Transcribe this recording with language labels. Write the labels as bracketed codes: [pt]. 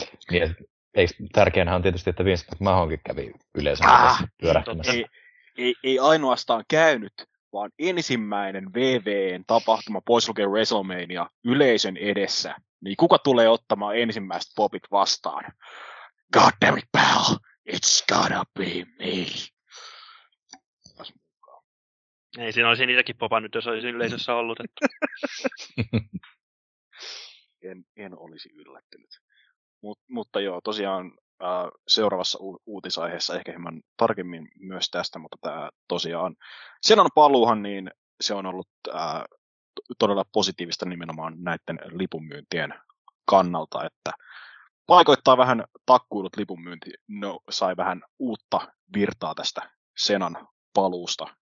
[fi] Niin, tärkeänhän on tietysti, että Vince McMahonkin kävi yleensä pyörähtymässä. Ei ainoastaan käynyt, vaan ensimmäinen WWE:n tapahtuma pois lukien WrestleMania yleisön edessä, niin kuka tulee ottamaan ensimmäiset popit vastaan? [en] God damn it, pal! It's gonna be me! [fi] Ei, siinä olisi niitäkin popannut, jos olisi yleisössä ollut. Että... en olisi yllättynyt. Mutta joo, tosiaan seuraavassa uutisaiheessa ehkä hieman tarkemmin myös tästä, mutta tämä tosiaan, sen on paluuhan, niin se on ollut todella positiivista nimenomaan näiden lipunmyyntien kannalta, että paikoittaa vähän takkuillut lipunmyynti, no, sai vähän uutta virtaa tästä Senan paluusta.